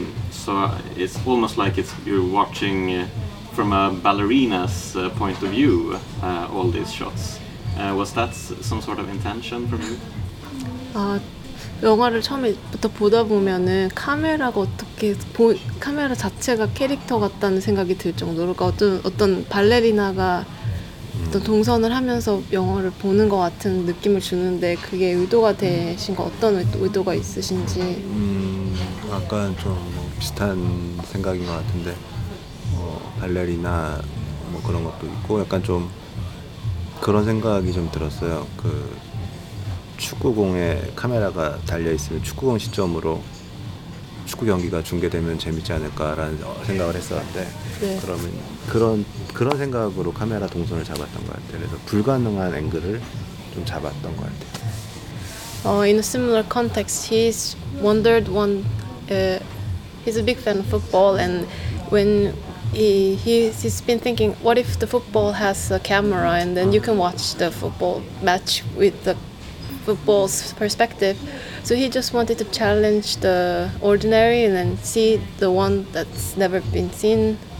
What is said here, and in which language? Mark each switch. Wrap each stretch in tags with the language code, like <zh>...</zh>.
<en>So it's almost like you're watching from a ballerina's point of view all these shots. Was that some sort of intention from you?</en> <ko>영화를 처음부터 보다 보면은 카메라가 어떻게 카메라 자체가 캐릭터 같다는 생각이 들 정도로 그러니까 어떤 발레리나가 어떤 동선을 하면서 영화를 보는 것 같은 느낌을 주는데 그게 의도가 되신 거 어떤 의도가 있으신지. 약간 좀 뭐 비슷한 생각인 것 같은데 뭐 발레리나 뭐 그런 것도 있고 약간 좀 그런 생각이 좀 들었어요. 그 축구공에 카메라가 달려 있으면 축구공 시점으로 축구 경기가 중계되면 재밌지 않을까라는 생각을 했었는데 네. 그러면 그런 생각으로 카메라 동선을 잡았던 것 같아요. 그래서 불가능한 앵글을 좀 잡았던 것 같아요.</ko> <en>In a similar context, he's wondered one. He's a big fan of football, and when he's been thinking, what if the football has a camera, and then you can watch the football match with the football's perspective. So he just wanted to challenge the ordinary and then see the one that's never been seen.</en>